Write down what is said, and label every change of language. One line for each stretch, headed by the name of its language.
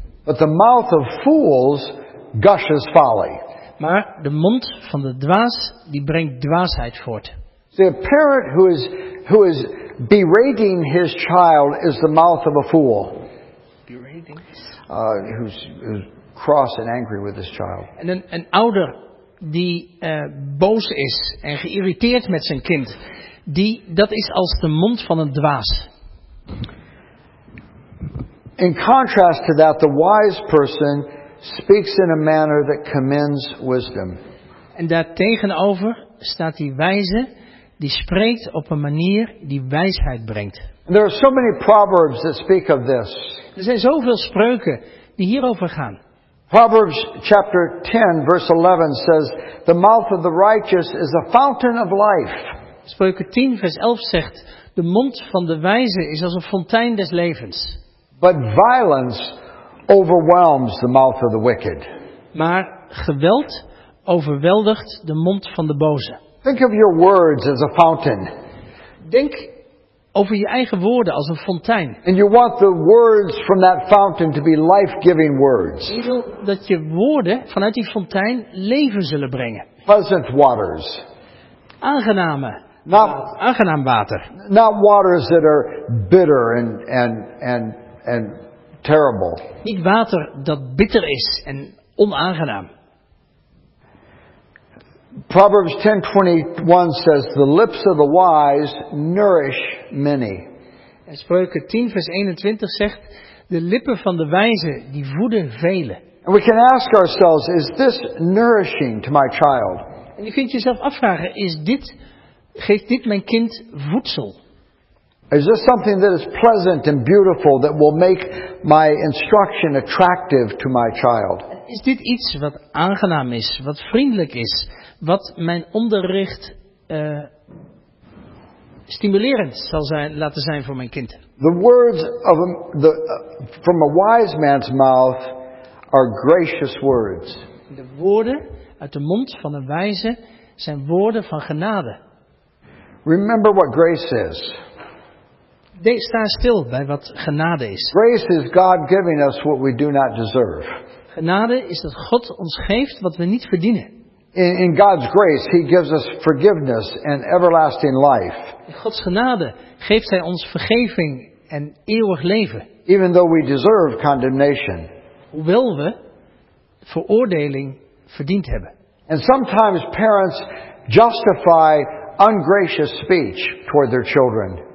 English: But the mouth of fools gushes folly.
Dutch: Maar de mond van de dwaas die brengt dwaasheid voort.
English: See, a parent who is berating his child is the mouth of a fool. Berating? Who's cross and angry with his child.
Dutch: En een ouder die boos is en geïrriteerd met zijn kind, dat is als de mond van een dwaas.
English: In contrast to that, the wise person speaks in a manner that commends wisdom.
Dutch: En daartegenover staat die wijze, die spreekt op een manier die wijsheid brengt.
English: There are so many proverbs that speak of this.
Dutch: Er zijn zoveel spreuken die hierover gaan.
English: Proverbs chapter 10 verse 11 says, "The mouth of the righteous is a fountain of life."
Dutch: Spreuken 10 vers 11 zegt, de mond van de wijze is als een fontein des levens.
English: But violence overwhelms the mouth of the wicked.
Dutch: Maar geweld overweldigt de mond van de boze.
English: Think of your words as a fountain.
Dutch: Denk over je eigen woorden als een fontein.
English: And you want the words from that fountain to be life-giving words.
Dutch: Je wil dat je woorden vanuit die fontein leven zullen brengen.
English: Pleasant waters.
Dutch: Aangenaam water.
English: Not waters that are bitter and terrible.
Dutch: Niet water dat bitter is en onaangenaam.
English: Proverbs 10:21 says, "The lips of the wise nourish many."
Dutch: En Spreuken 10 vers 21 zegt, de lippen van de wijze die voeden velen.
English: And we can ask ourselves, is this nourishing to my child?
Dutch: En je kunt jezelf afvragen, geeft dit mijn kind voedsel?
English: Is this something that is pleasant and beautiful that will make my instruction attractive to my child?
Dutch: Is dit iets wat aangenaam is, wat vriendelijk is, wat mijn onderricht stimulerend zal zijn, laten zijn voor mijn kind?
English: The words of from a wise man's mouth are gracious words.
Dutch: De woorden uit de mond van een wijze zijn woorden van genade.
English: Remember what grace is.
Dutch: Sta stil bij wat genade is.
English: Grace is God giving us what we do not deserve.
Dutch: Genade is dat God ons geeft wat we niet verdienen.
English: In God's grace, He gives us forgiveness and everlasting life.
Dutch: In Gods genade geeft Hij ons vergeving en eeuwig leven.
English: Even though we deserve condemnation.
Dutch: Hoewel we veroordeling verdiend hebben.
English: And sometimes parents justify ungracious speech toward their children.